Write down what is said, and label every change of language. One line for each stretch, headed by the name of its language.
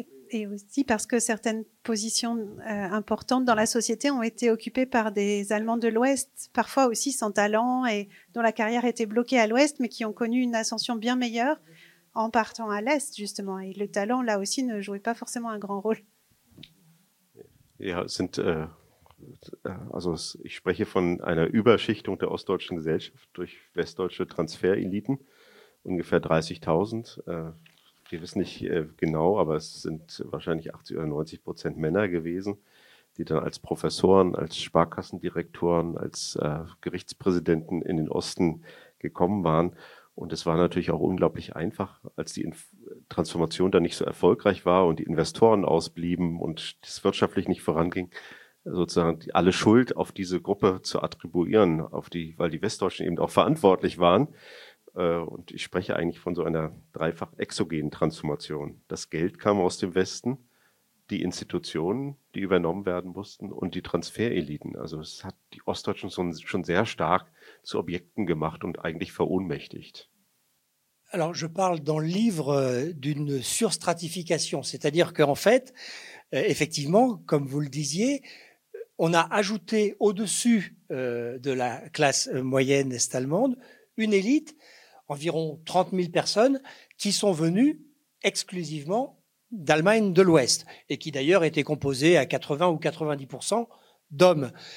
French: Et aussi parce que certaines positions importantes dans la société ont été occupées par des Allemands de l'Ouest, parfois aussi sans talent et dont la carrière était bloquée à l'Ouest, mais qui ont connu une ascension bien meilleure en partant à l'Est, justement. Et le talent, là aussi, ne jouait pas forcément un grand rôle.
German: Ja, es sind also ich spreche von einer Überschichtung der ostdeutschen Gesellschaft durch westdeutsche Transfereliten, ungefähr 30.000. Wir wissen nicht genau, aber es sind wahrscheinlich 80 oder 90% Männer gewesen, die dann als Professoren, als Sparkassendirektoren, als Gerichtspräsidenten in den Osten gekommen waren. Und es war natürlich auch unglaublich einfach, als die Transformation dann nicht so erfolgreich war und die Investoren ausblieben und es wirtschaftlich nicht voranging, sozusagen alle Schuld auf diese Gruppe zu attribuieren, weil die Westdeutschen eben auch verantwortlich waren. Und ich spreche eigentlich von so einer dreifach exogenen Transformation. Das Geld kam aus dem Westen, die Institutionen, die übernommen werden mussten, und die Transfereliten. Also es hat die Ostdeutschen schon sehr stark zu Objekten gemacht und eigentlich verohnmächtigt.
French: Alors, je parle dans le livre d'une surstratification, c'est-à-dire qu'en fait, effectivement, comme vous le disiez, on a ajouté au-dessus de la classe moyenne est-allemande une élite, environ 30 000 personnes, qui sont venues exclusivement d'Allemagne de l'Ouest, et qui d'ailleurs étaient composées à 80 ou 90% d'hommes,